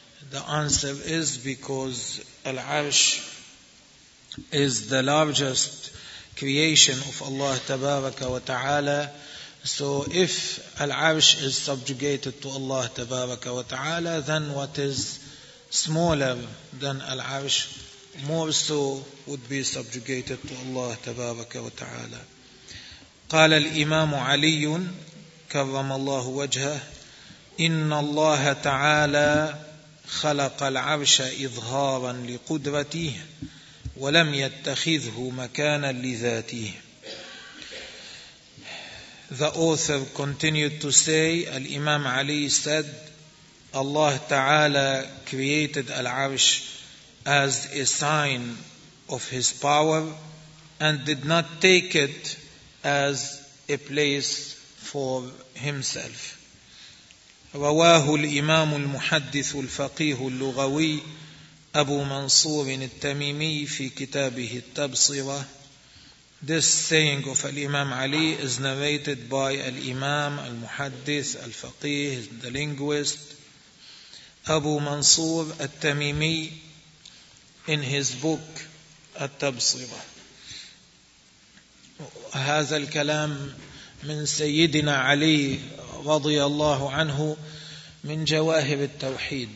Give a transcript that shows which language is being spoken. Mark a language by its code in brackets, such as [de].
[en] The answer is because Al-Arsh is the largest creation of Allah Tabaraka wa Ta'ala. So if Al-Arsh is subjugated to Allah Tabaraka wa Ta'ala, then what is smaller than Al-Arsh, more so would be subjugated to Allah Tabaraka wa Ta'ala. [ar] قال الإمام علي كرم الله وجهه إن الله تعالى خلق العرش إظهارا لقدرته ولم يتخذه مكانا لذاته. [en] The author continued to say, Al-Imam Ali said, Allah Ta'ala created Al-Arsh as a sign of His power and did not take it as a place for Himself. [ar] رواه الإمام المحدث الفقيه اللغوي أبو منصور التميمي في كتابه التبصرة. [en] This saying of Al-Imam Ali is narrated by Al-Imam al-Muhaddith al-Faqih, the linguist, Abu Mansur al-Tamimi, in his book At-Tabsira. [ar] هذا الكلام من سيدنا علي رضي الله عنه من جواهر التوحيد.